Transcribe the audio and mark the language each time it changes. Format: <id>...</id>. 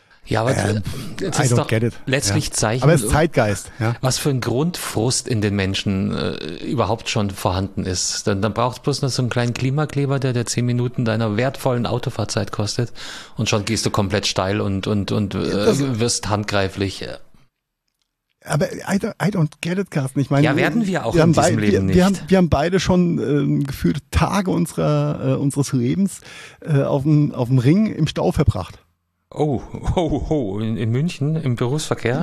<de>Ja, aber das ist doch letztlich Zeichen. Aber es ist Zeitgeist. Ja. Was für ein Grundfrust in den Menschen überhaupt schon vorhanden ist. Dann braucht es bloß noch so einen kleinen Klimakleber, der 10 Minuten deiner wertvollen Autofahrzeit kostet. Und schon gehst du komplett steil und wirst handgreiflich. Aber</de> <en>I don't get it, Carsten.</en> <de>Ich meine, ja, werden wir auch in diesem Leben nicht. Wir haben beide schon gefühlt Tage unseres Lebens auf dem Ring im Stau verbracht. In München im Berufsverkehr?</de>